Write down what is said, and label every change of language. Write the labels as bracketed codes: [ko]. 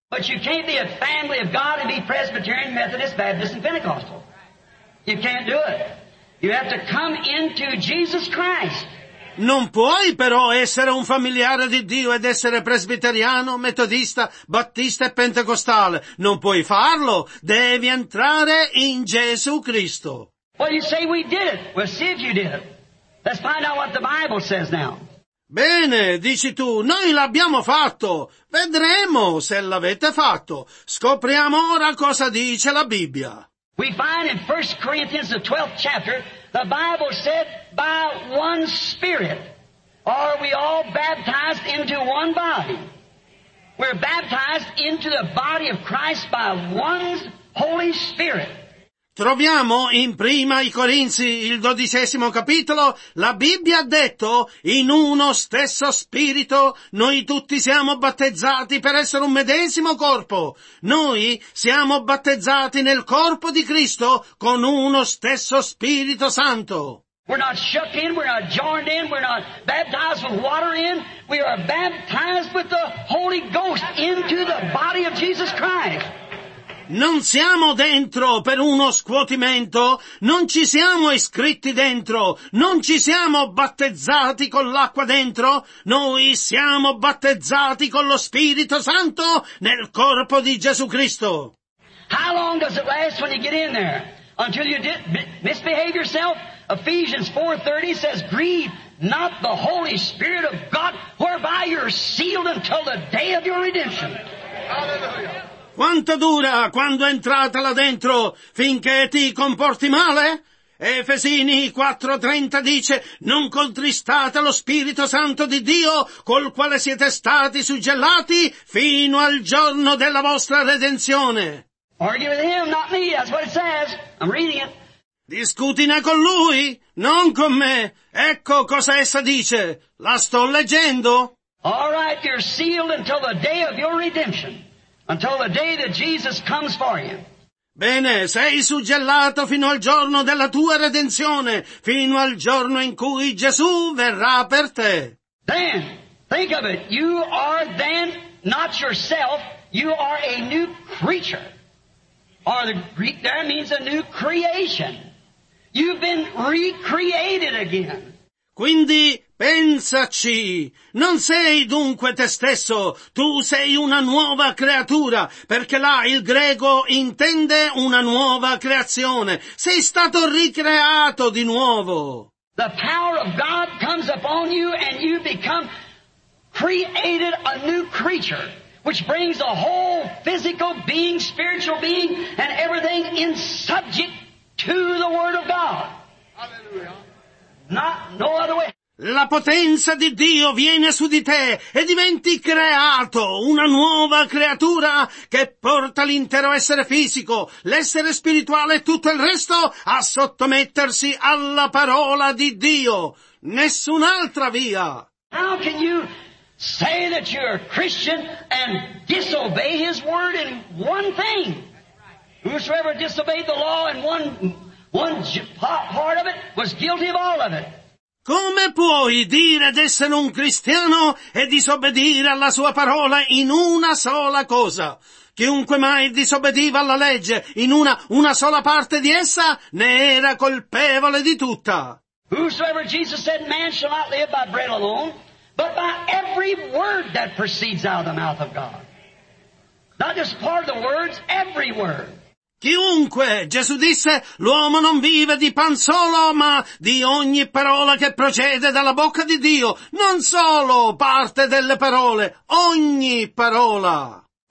[en] But you can't be a family of God and be Presbyterian, Methodist, Baptist, and Pentecostal. You can't do it. You have to come into Jesus Christ. [it] Non puoi però essere un familiare di Dio ed essere presbiteriano, metodista, battista e pentecostale. Non puoi farlo. Devi entrare in Gesù Cristo. [en] Well, you say we did it. Well, see if you did it. Let's find out what the Bible says now. [it] Bene, dici tu, noi l'abbiamo fatto. Vedremo se l'avete fatto. Scopriamo ora cosa dice la Bibbia. [en] We find in 1 Corinthians, the 12th chapter, the Bible said, by one Spirit are we all baptized into one body. We're baptized into the body of Christ by one Holy Spirit. [it] Troviamo in Prima i Corinzi, il 12° capitolo, la Bibbia ha detto, in uno stesso spirito noi tutti siamo battezzati per essere un medesimo corpo. Noi siamo battezzati nel corpo di Cristo con uno stesso Spirito Santo. [en] We're not shook in, we're not joined in, we're not baptized with water in, we are baptized with the Holy Ghost into the body of Jesus Christ. [it] Non siamo dentro per uno scuotimento, non ci siamo iscritti dentro, non ci siamo battezzati con l'acqua dentro, noi siamo battezzati con lo Spirito Santo nel corpo di Gesù Cristo. [en] How long does it last when you get in there? Until you misbehave yourself? Ephesians 4:30 says, grieve not the Holy Spirit of God, whereby you're sealed until the day of your redemption. Hallelujah. [it] Quanto dura quando entrate là dentro finché ti comporti male? Efesini 4:30 dice, non contristate lo Spirito Santo di Dio col quale siete stati suggellati fino al giorno della vostra redenzione. [en] Argue with him, not me, that's what it says. I'm reading it. [it] Discutine con lui, non con me. Ecco cosa essa dice. La sto leggendo. [en] All right, you're sealed until the day of your redemption. Until the day that Jesus comes for you. [it] Bene, sei suggellato fino al giorno della tua redenzione, fino al giorno in cui Gesù verrà per te. [en] Then, think of it, you are then not yourself, you are a new creature. Or the Greek there means a new creation. You've been recreated again. [it] Quindi, pensaci, non sei dunque te stesso, tu sei una nuova creatura, perché là il greco intende una nuova creazione, sei stato ricreato di nuovo. [en] The power of God comes upon you and you become created a new creature, which brings a whole physical being, spiritual being, and everything in subject to the Word of God. Hallelujah. No other way. [it] La potenza di Dio viene su di te e diventi creato, una nuova creatura che porta l'intero essere fisico, l'essere spirituale e tutto il resto a sottomettersi alla parola di Dio. Nessun'altra via. [en] How can you say that you're a Christian and disobey his word in one thing? Whosoever disobeyed the law in one part of it was guilty of all of it. [it] Come puoi dire d'essere un cristiano e disobbedire alla sua parola in una sola cosa? Chiunque mai disobbediva alla legge in una sola parte di essa ne era colpevole di tutta. [en] Whosoever Jesus said man shall not live by bread alone, but by every word that proceeds out of the mouth of God. Not just part of the words, every word. [it] Chiunque, Gesù disse, l'uomo non vive di pan solo, ma di ogni parola che procede dalla bocca di Dio, non solo parte delle parole, ogni parola.